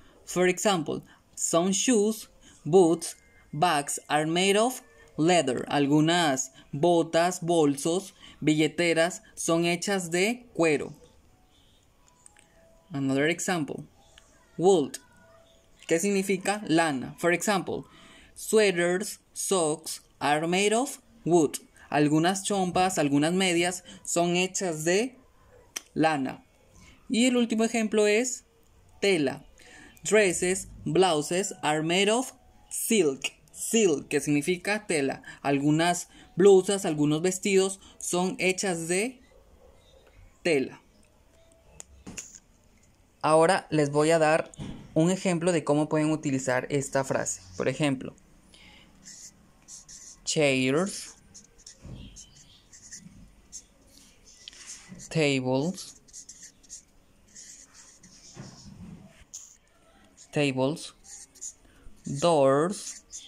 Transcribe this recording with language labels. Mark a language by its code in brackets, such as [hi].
[en] For example, some shoes, boots, bags are made of leather. [es] Algunas botas, bolsos, billeteras son hechas de cuero. [en] Another example. Wool. [es] ¿Qué significa lana? [en] For example, sweaters, socks are made of wool. [es] Algunas chompas, algunas medias son hechas de lana. Y el último ejemplo es tela. [en] Dresses, blouses are made of silk. [es] Silk, que significa tela. Algunas blusas, algunos vestidos son hechas de tela. Ahora les voy a dar un ejemplo de cómo pueden utilizar esta frase. Por ejemplo, [en] chairs, tables, doors.